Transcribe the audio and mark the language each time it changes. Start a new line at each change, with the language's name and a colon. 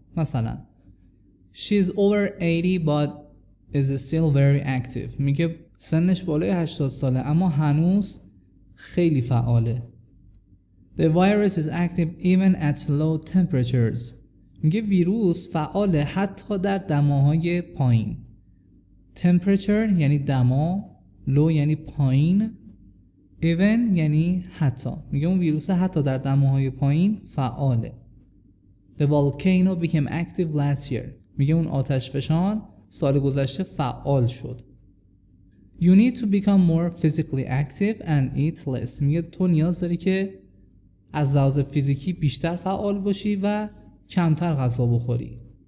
English: مثلا She is over 80 but is still very active.
Persian: میگه سنش بالای 80 ساله اما هنوز خیلی فعاله.
English: The virus is active even at low temperatures.
Persian: میگه ویروس فعاله حتی در دماهای پایین. temperature یعنی دما، لو یعنی پایین، even یعنی حتی. میگه اون ویروس حتی در دماهای پایین فعاله.
English: The volcano became active last year.
Persian: میگه اون آتش فشان سال گذشته فعال شد.
English: You need to become more physically active and eat less.
Persian: میگه تو نیاز داری که از لحاظ فیزیکی بیشتر فعال باشی و کمتر غذا بخوری.